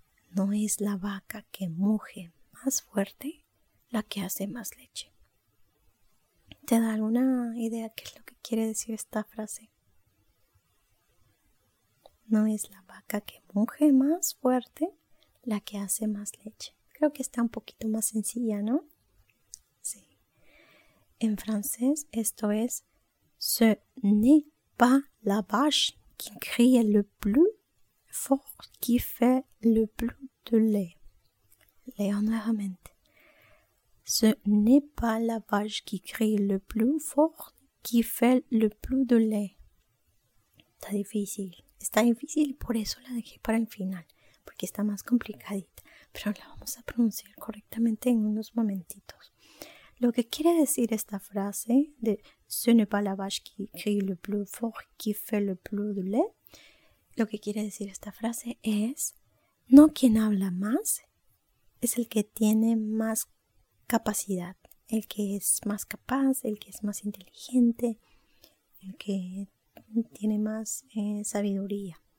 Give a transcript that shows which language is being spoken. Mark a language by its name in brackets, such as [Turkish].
[Spanish] No es la vaca que muge más fuerte la que hace más leche. ¿Te da alguna idea qué es lo que quiere decir esta frase? No es la vaca que muge más fuerte la que hace más leche. Creo que está un poquito más sencilla, ¿no? Sí. En francés esto es [French] Ce n'est pas la vache qui crie le plus fort qui fait le plus de lait. [Spanish] Léo nuevamente. [French] Ce n'est pas la vache qui crie le plus fort qui fait le plus de lait. [Spanish] Está difícil. Está difícil y por eso la dejé para el final. Porque está más complicadita. Pero la vamos a pronunciar correctamente en unos momentitos. Lo que quiere decir esta frase de [French] Ce n'est pas la vache qui crie le plus fort qui fait le plus de lait. [Spanish] Lo que quiere decir esta frase es no quien habla más es el que tiene más capacidad. El que es más capaz, el que es más inteligente, el que tiene más sabiduría.